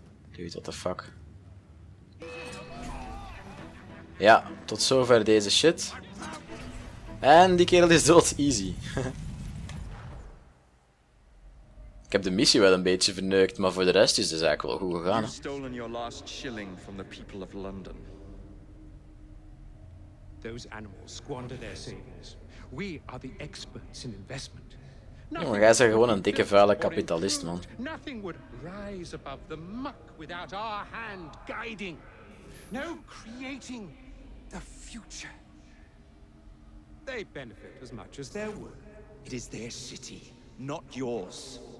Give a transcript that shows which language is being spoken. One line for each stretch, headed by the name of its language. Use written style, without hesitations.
English: Dude, what the fuck.
Dutch: Ja, tot zover deze shit. En die kerel is dood. Easy. Ik heb de missie wel een beetje verneukt, maar voor de rest is het eigenlijk wel goed gegaan.
English: You've stolen your last shilling from the people of London. Those animals squander their savings. We are the experts in investment.
Dutch: Ja, maar jij bent gewoon een dikke vuile kapitalist, man.
English: Nothing would rise above the muck without our hand guiding. No creating the future. They benefit as much as their work. It is their city, not yours.